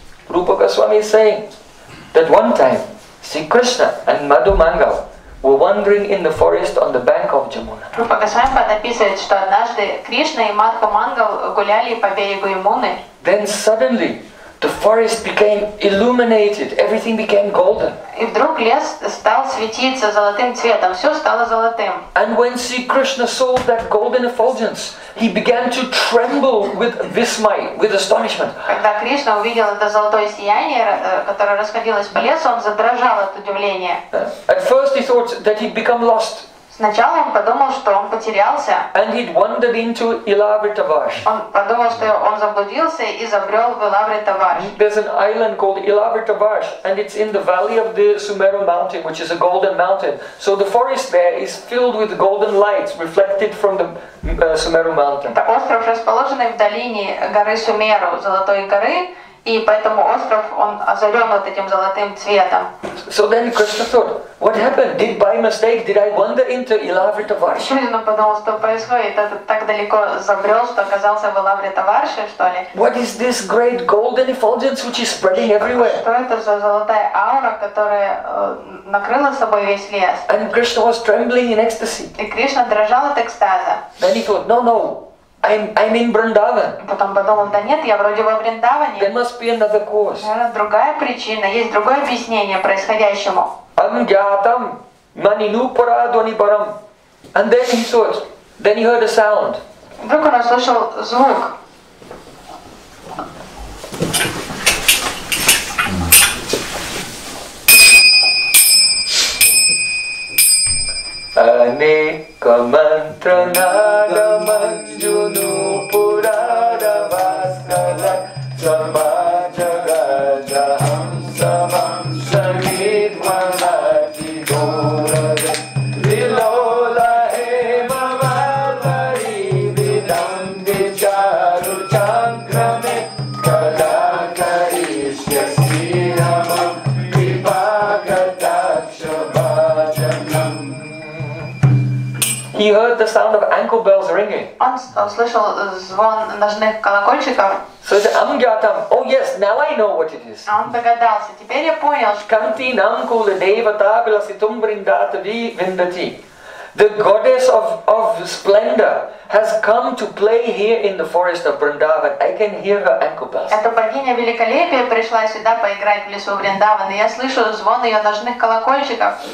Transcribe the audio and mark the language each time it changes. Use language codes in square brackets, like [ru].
[en] Rupa Goswami is saying that one time Sri Krishna and Madhu Mangal were wandering in the forest on the bank of Jamuna. [ru] Rupa Goswami написывает, что однажды Кришна и Мадху Мангал гуляли по берегу Ямуны. [en] Then suddenly the forest became illuminated. Everything became golden. [ru] И вдруг лес стал светиться золотым цветом. Все стало золотым. [en] And when Sri Krishna saw that golden effulgence, he began to tremble with vismay, with astonishment. [ru] Когда Кришна увидел это золотое сияние, которое расходилось по лесу, он задрожал от удивления. [en] At first he thought that he'd become lost. [ru] Сначала он подумал, что он потерялся. [en] And he'd wandered into Ilavrita Vash. [ru] Он подумал, что он заблудился и забрел в Ilavrita Vash. [en] There's an island called Ilavrita Vash, and it's in the valley of the Sumeru Mountain, which is a golden mountain. So the forest there is filled with golden lights reflected from the Sumeru Mountain. [ru] Это остров, расположенный в долине горы Сумеру, Золотой горы. И поэтому остров он озарен вот этим золотым цветом. [en] So then Krishna thought, what happened? Did by mistake did I wander into Ilavrita Varsha? [ru] Кришна подумал, что происходит, это так далеко забрел, что оказался в Ilavrita Varsha, что ли? [en] What is this great golden effulgence which is spreading everywhere? [ru] Что это за золотая аура, которая накрыла собой весь лес? [en] And Krishna was trembling in ecstasy. [ru] И Кришна дрожал от экстаза. [en] Then he thought, no. I'm in Vrindavan. [ru] Потом подумал, да нет, я вроде во Вриндаване. [en] There must be another cause. [ru] Другая причина, есть другое объяснение происходящему. [sa] Ангьятам Mani nupara adoni param. [en] And then he thought, then he heard a sound. [ru] Вдруг он услышал звук. [sa] Aneka mantra nada manju nupara vaskala sama. [en] He heard the sound of ankle bells ringing. [ru] Он услышал звон ножных колокольчиков. [en] So the Amgyatam, oh yes, now I know what it is. [ru] Он догадался, теперь я понял. [sa] Shkanti namkula deva tabila situm brindata vi vindati. [en] The goddess of splendor has come to play here in the forest of Vrindavan. I can hear her ankle bells. [ru] Эта богиня великолепия пришла сюда поиграть в лесу Вриндавана. Я слышу звон ее ножных колокольчиков.